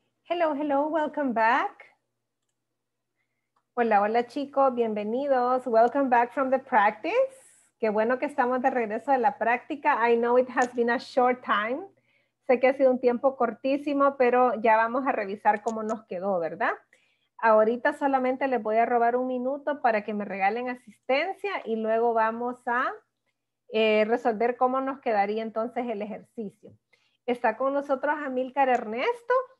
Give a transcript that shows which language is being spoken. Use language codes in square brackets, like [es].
[en] Hello, hello, welcome back. [es] Hola, hola chicos, bienvenidos. [en] Welcome back from the practice. [es] Qué bueno que estamos de regreso de la práctica. [en] I know it has been a short time. [es] Sé que ha sido un tiempo cortísimo, pero ya vamos a revisar cómo nos quedó, ¿verdad? Ahorita solamente les voy a robar un minuto para que me regalen asistencia y luego vamos a resolver cómo nos quedaría entonces el ejercicio. Está con nosotros Amílcar Ernesto.